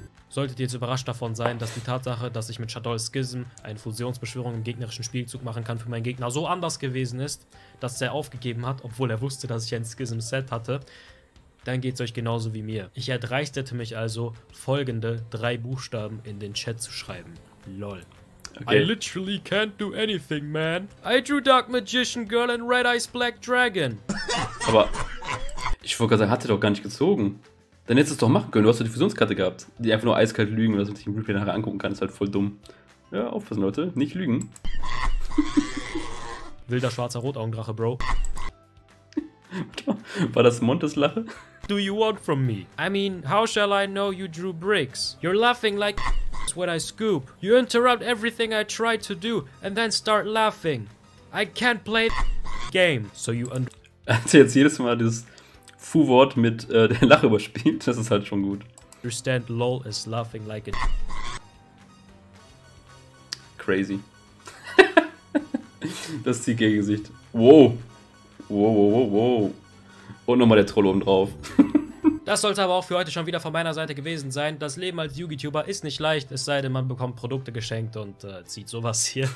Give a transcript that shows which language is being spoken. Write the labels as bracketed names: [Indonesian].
[German] Solltet ihr jetzt überrascht davon sein, dass die Tatsache, dass ich mit Shadol Schism eine Fusionsbeschwörung im gegnerischen Spielzug machen kann, für meinen Gegner so anders gewesen ist, dass er aufgegeben hat, obwohl er wusste, dass ich ein Schism-Set hatte, dann geht's euch genauso wie mir. Ich erdreistete mich also, folgende drei Buchstaben in den Chat zu schreiben. LOL. Okay. [English] I literally can't do anything, man. I drew Dark Magician Girl and Red Eyes Black Dragon. [German] Aber, ich wollte gerade sagen, hat er doch gar nicht gezogen. Dann hättest du es doch machen können, du hast doch die Fusionskarte gehabt. Die einfach nur eiskalt lügen, dass man sich im Replay nachher angucken kann, ist halt voll dumm. Ja, aufpassen Leute, nicht lügen. Wilder schwarzer Rotaugendrache, Bro. War das Montes Lache? [English] Do you want from me? I mean, how shall I know you drew bricks? You're laughing like when I scoop. You interrupt everything I try to do and then start laughing. I can't play game, so you [German] Also jetzt jedes Mal dieses Fu-Wort mit der Lache überspielt, das ist halt schon gut. [English] Understand lol is laughing like a [German] Crazy. Das CK-Gesicht. Wow. Wow, wow, wow, wow. Und nochmal der Troll oben drauf. Das sollte aber auch für heute schon wieder von meiner Seite gewesen sein. Das Leben als YouTuber ist nicht leicht, es sei denn, man bekommt Produkte geschenkt und zieht sowas hier.